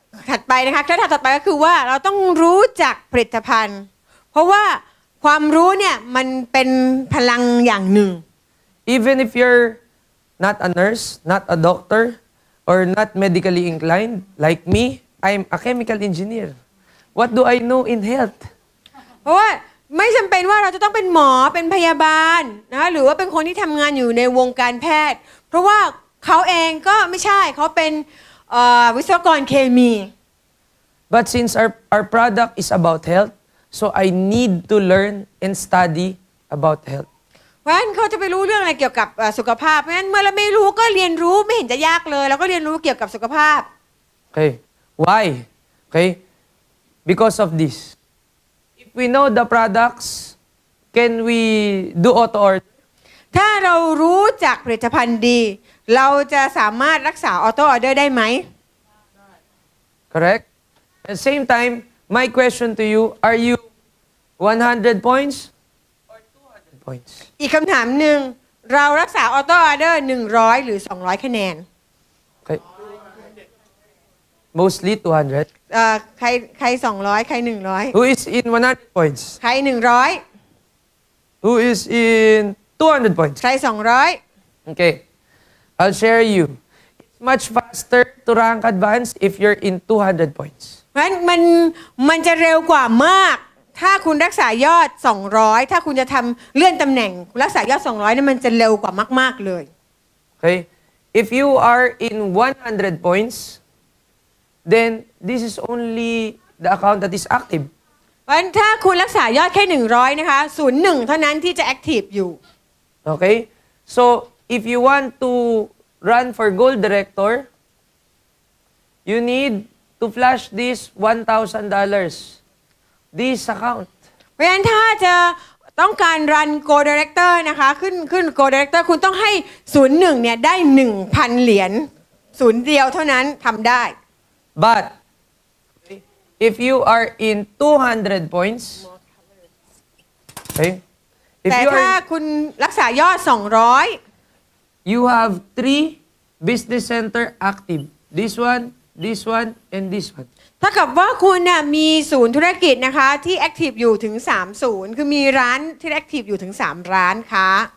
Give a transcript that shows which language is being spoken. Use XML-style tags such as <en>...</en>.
<th>ถัดไปนะคะขั้นตอนถัดไปก็คือว่าเราต้องรู้จักผลิตภัณฑ์เพราะว่าความรู้เนี่ยมันเป็นพลังอย่างหนึ่ง</th> <en>Even if you're not a nurse, not a doctor, or not medically inclined, like me, I'm a chemical engineer. What do I know in health?</en> <th>เพราะว่าไม่จำเป็นว่าเราจะต้องเป็นหมอเป็นพยาบาลนะหรือว่าเป็นคนที่ทำงานอยู่ในวงการแพทย์เพราะว่าเขาเองก็ไม่ใช่เขาเป็นวิศวกรเคมี</th> <en>But since our product is about health, so I need to learn and study about health</en> <th>เพราะฉะนั้นเขาจะไปรู้เรื่องอะไรเกี่ยวกับสุขภาพเพราะฉะนั้นเมื่อเราไม่รู้ก็เรียนรู้ไม่เห็นจะยากเลยเราก็เรียนรู้เกี่ยวกับสุขภาพ</th> <en>โอเค why okay because of this if we know the products can we do auto order</en> <th>ถ้าเรารู้จักผลิตภัณฑ์ดีเราจะสามารถรักษาออโต้ออเดอร์ได้ไหมได้</th> <en>correct at the same time my question to you are you 100 points</en> <th>อีกคำถามหนึ่งเรารักษาออโต้ออเดอร์100หรือ200คะแนน</th> <en>mostly 200</en> <th>ใคร200ใคร100</th> <en>who is in 100 points</en> <th>ใคร100</th> <en>who is in 200 points</en> <th>ใคร200</th> <en>okay I'll share you it's much faster to rank advance if you're in 200 points</en> <th>มันจะเร็วกว่ามากถ้าคุณรักษายอด200ถ้าคุณจะทำเลื่อนตำแหน่งรักษายอด200นี่มันจะเร็วกว่ามากๆเลย</th> <en>โอเค if you are in 100 points then this is only the account that is active</en> <th>งั้นถ้าคุณรักษายอดแค่100นะคะ01เท่านั้นที่จะ active อยู่โอเค</th> <en>so if you want to run for gold director you need to flash this $1,000This account.</en> <th>เพราะฉะนั้นถ้าจะต้องการรันโกลด์ไดเรคเตอร์นะคะขึ้นโกลด์ไดเรคเตอร์คุณต้องให้01เนี่ยได้ 1,000 เหรียญศูนย์เดียวเท่านั้นทำได้</th> <en>But if you are in 200 points</en> <th>okay, แต่ถ้าคุณรักษายอด200</th> <en>You have 3 business center active this one and this one</en> <th>ถ้ากับว่าคุณน่ะมีศูนย์ธุรกิจนะคะที่แอคทีฟอยู่ถึง3ศูนย์คือมีร้านที่แอคทีฟอยู่ถึง3ร้านค่ะ</th>